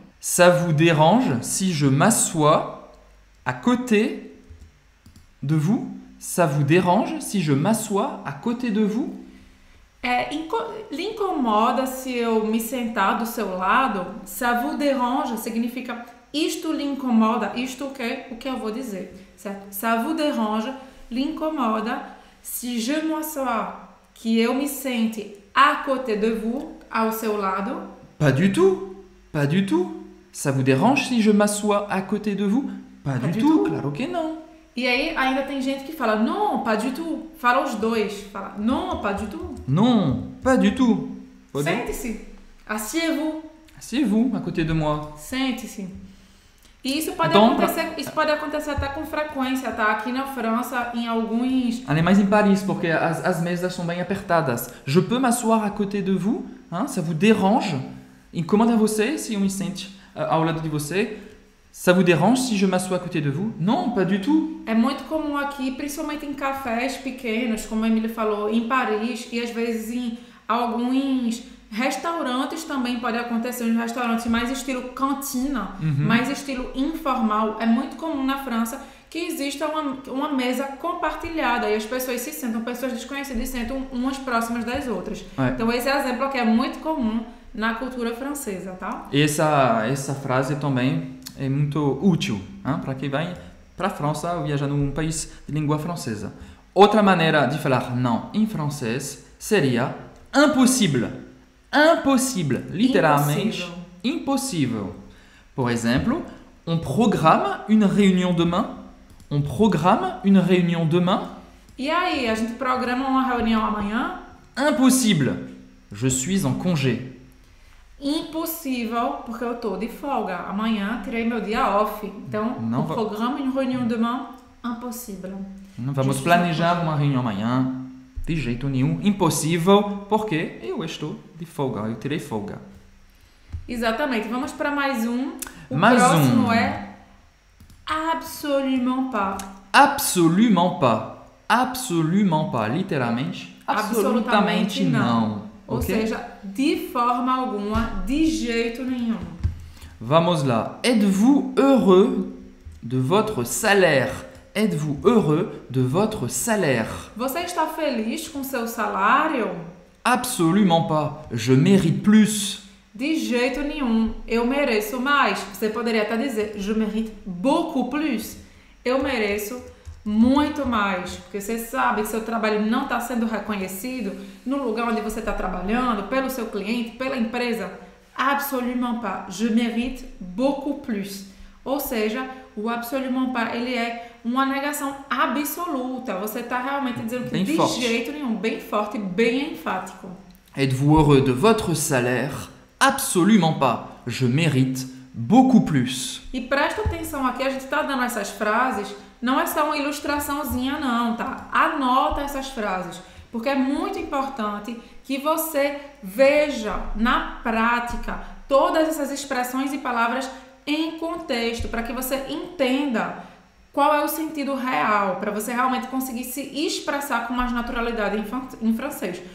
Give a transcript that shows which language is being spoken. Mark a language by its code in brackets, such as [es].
[fr] Ça vous dérange si je m'assois à côté de vous? Ça vous dérange si je m'assois à côté de vous? [pt] L'incomoda se eu me sentar do seu lado? [fr] Ça vous dérange [pt] significa isto lhe incomoda, isto o que eu vou dizer, certo? [fr] Ça vous dérange, [pt] lhe incomoda. [fr] Si je m'assois, [pt] que eu me sente [fr] à côté de vous, [pt] ao seu lado. [fr] Pas du tout, pas du tout. Ça vous dérange si je m'assois à côté de vous? Pas du tout, [pt] claro que não. E aí ainda tem gente que fala, [fr] non, pas du tout. [pt] Fala os dois, fala, [fr] non, pas du tout. Non, pas du tout. [pt] Sente-se, [fr] assiez-vous. Assiez-vous, à côté de moi. [pt] Sente-se. E isso pode, então, acontecer, isso pode acontecer até com frequência, tá? Aqui na França, em alguns... Além mais em Paris, porque as mesas são bem apertadas. [fr] Je peux m'asseoir à côté de vous? Hein? Ça vous dérange? [pt] Incomoda você se eu me sente ao lado de você? [fr] Ça vous dérange si je m'assois à côté de vous? Non, pas du tout. [pt] É muito comum aqui, principalmente em cafés pequenos, como a Emília falou, em Paris, e às vezes em alguns... restaurantes também pode acontecer, um restaurante mais estilo cantina, mais estilo informal. É muito comum na França que exista uma mesa compartilhada e as pessoas se sentam, pessoas desconhecidas sentam umas próximas das outras. É. Então esse é um exemplo que é muito comum na cultura francesa, tá? E essa frase também é muito útil para quem vai para a França ou viaja num país de língua francesa. Outra maneira de falar não em francês seria impossible. [fr] Impossible, littéralement impossible. Par exemple, on programme une réunion demain. On programme une réunion demain. [pt] Et aí, a gente programa uma reunião amanhã? [fr] Impossible. Je suis en congé. [pt] Impossible, porque eu tô de folga. Amanhã terei meu dia off. Então, [fr] non, on programme une réunion demain. Impossible. [pt] Non, vamos planejar uma reunião amanhã. De jeito nenhum, impossível, porque eu estou de folga, eu tirei folga. Exatamente, vamos para mais um. Mais próximo um. [fr] É absolument pas. Absolument pas, absolument pas, [pt] literalmente, absolutamente não. Ou okay? Seja, de forma alguma, de jeito nenhum. Vamos lá, [fr] êtes-vous heureux de votre salaire? Êtes-vous heureux de votre salaire? [pt] Você está feliz com seu salário? [fr] Absolument pas. Je mérite plus. [pt] De jeito nenhum. Eu mereço mais. Você poderia até dizer, [fr] je mérite beaucoup plus. [pt] Eu mereço muito mais. Porque você sabe que seu trabalho não está sendo reconhecido no lugar onde você está trabalhando, pelo seu cliente, pela empresa. [fr] Absolument pas. Je mérite beaucoup plus. [pt] Ou seja, o absolument pas, ele é uma negação absoluta. Você está realmente dizendo que bem de forte. Jeito nenhum. Bem forte, bem enfático. [fr] Êtes-vous heureux de votre salaire? Absolument pas. Je mérite beaucoup plus. [pt] E presta atenção aqui, a gente está dando essas frases. Não é só uma ilustraçãozinha, não, tá? Anota essas frases. Porque é muito importante que você veja na prática todas essas expressões e palavras em contexto, para que você entenda qual é o sentido real, para você realmente conseguir se expressar com mais naturalidade em francês.